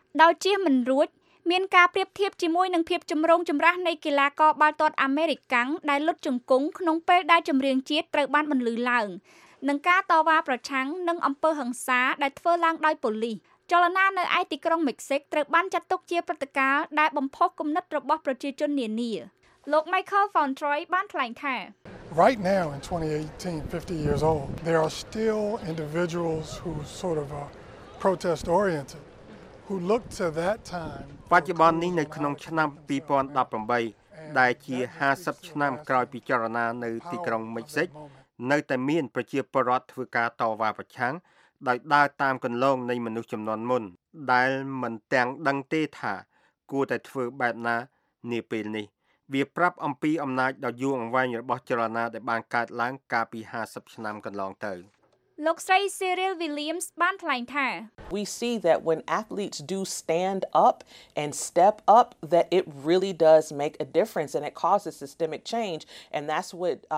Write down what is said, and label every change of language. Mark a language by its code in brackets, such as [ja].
[km] ដោយជាមិនរួចមានការប្រៀបធៀបជាមួយនឹងភាពចម្រូងចម្រាសនៃកីឡាករបាល់ទាត់អាមេរិកកាំងដែលលុតជង្គង់ក្នុងពេលដែលចម្រៀងជាតិត្រូវបានបន្លឺឡើងនឹងការតវ៉ាប្រឆាំងនឹងអំពើហិង្សាដែលធ្វើឡើងដោយប៉ូលីសចលនានៅឯទីក្រុងមិចស៊ីកត្រូវបានចាត់ទុកជាព្រឹត្តិការណ៍ដែលបំផុសគំនិតរបស់ប្រជាជននានាលោក Michael Fontroy បានថ្លែងថា [en] Right now in 2018 50 years old there are still individuals who sort of protest oriented who looked to that time [km] បច្ចុប្បន្ននេះនៅក្នុងឆ្នាំ2018ដែលជា50ឆ្នាំក្រោយពីចលនានៅទីក្រុងមិចស៊ីកនៅតែមានប្រជាពលរដ្ឋធ្វើការតវ៉ាប្រឆាំងដោយដើរតាមគន្លងនៃមនុស្សចំនួនមុនដែលមិនទាំងដឹងទេថាគួរតែធ្វើបែបណានាពេលនេះវាប្រាប់អំពីអំណាចដ៏យូរអង្វែងរបស់ចលនាដែលបានកើតឡើងកាលពី50ឆ្នាំកន្លងទៅ លោកស្រី Siri Williams បានថ្លែងថា [en] We see that when athletes do stand up and step up that it really does make a difference and it causes systemic change and that's what